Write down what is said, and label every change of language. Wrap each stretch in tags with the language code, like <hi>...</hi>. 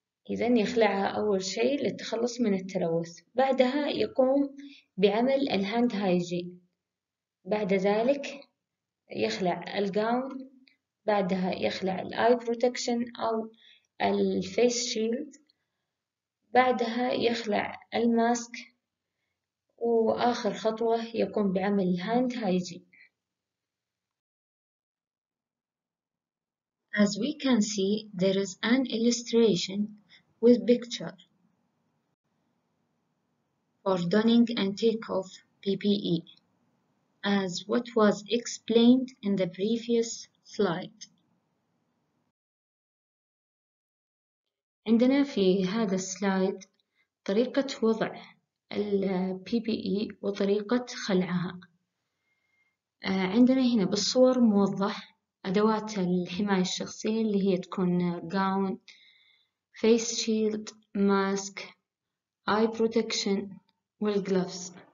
<ar>إذن يخلعها أول شيء للتخلص من التلوث، بعدها يقوم بعمل</ar> <en>الهاند هايجين،</en> <ar>بعد ذلك يخلع الجاون، بعدها يخلع</ar> <en>الآي بروتكشن</en> <ar>أو</ar> <en>الفيس شيلد،</en> <ar>بعدها يخلع الماسك، وآخر خطوة يقوم بعمل</ar> <en>الهاند hygiene. As we can see, there is an illustration with picture for donning and take off PPE, as what was explained in the previous slide.</en> <ar>عندنا في هذا السلايد طريقة وضع الـ PPE وطريقة خلعها. عندنا هنا بالصور موضح أدوات الحماية الشخصية اللي هي تكون</ar> <en>gown, face shield, mask, eye protection</en> <ar>والgloves.</ar>